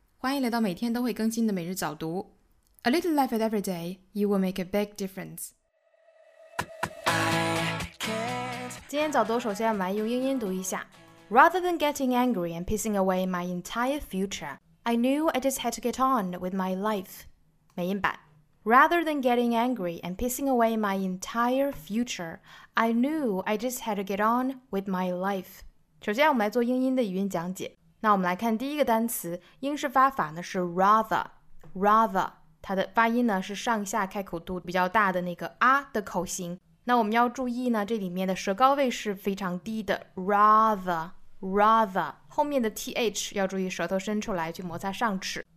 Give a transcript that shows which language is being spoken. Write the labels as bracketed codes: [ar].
[zh] 欢迎来到每天都会更新的每日早读。 [en] A little life at every day, you will make a big difference. [zh] 今天早读首先我们来用英音读一下。 [en] Rather than getting angry and pissing away my entire future, I knew I just had to get on with my life. [zh] 美音版。 [en] Rather than getting angry and pissing away my entire future, I knew I just had to get on with my life. [zh] 首先我们来做英音的语音讲解。那我们来看第一个单词，英式发法呢是 rather， 它的发音呢是上下开口度比较大的那个啊的口型。那我们要注意呢，这里面的舌高位是非常低的 ，rather， 后面的 th 要注意舌头伸出来去摩擦上齿。